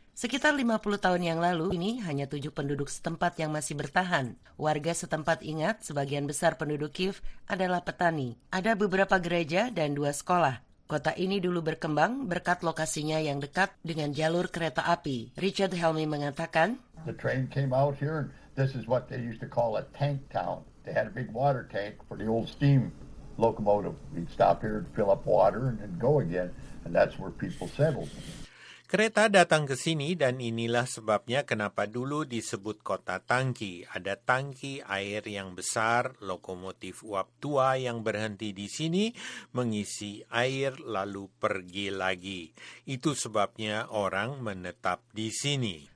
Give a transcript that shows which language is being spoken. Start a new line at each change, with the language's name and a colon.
Indonesian: Sekitar 50 tahun yang lalu, ini hanya 7 penduduk setempat yang masih bertahan. Warga setempat ingat, sebagian besar penduduk Kiev adalah petani. Ada beberapa gereja dan 2 sekolah. Kota ini dulu berkembang berkat lokasinya yang dekat dengan jalur kereta api. Richard Helmy mengatakan,
English: the train came out here, and this is what they used to call a tank town. They had a big water tank for the old steam locomotive. We'd stop here and fill up water and then go again, and that's where people settled.
Indonesian: Kereta datang ke sini dan inilah sebabnya kenapa dulu disebut kota tangki. Ada tangki air yang besar, lokomotif uap tua yang berhenti di sini, mengisi air lalu pergi lagi. Itu sebabnya orang menetap di sini.